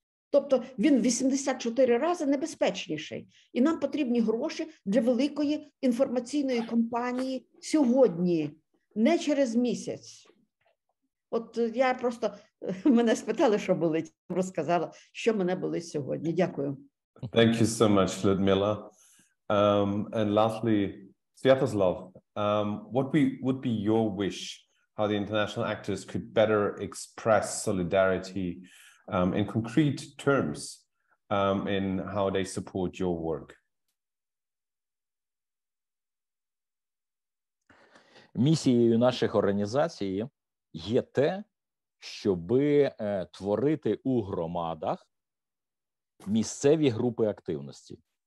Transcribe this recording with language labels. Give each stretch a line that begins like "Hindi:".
Ukrainian: Тобто він 84 рази небезпечніший. І нам потрібні гроші для великої інформаційної кампанії сьогодні, не через місяць. От я просто, мене спитали, що болить, розказала, що мене болить сьогодні. Дякую.
English: Thank you so much, Людмила. And lastly, Святослав, what would be your wish, how the international actors could better express solidarity in concrete terms, in how they support your work?
Ukrainian: Місією наших організацій є те, щоби творити у громадах місцеві групи активності.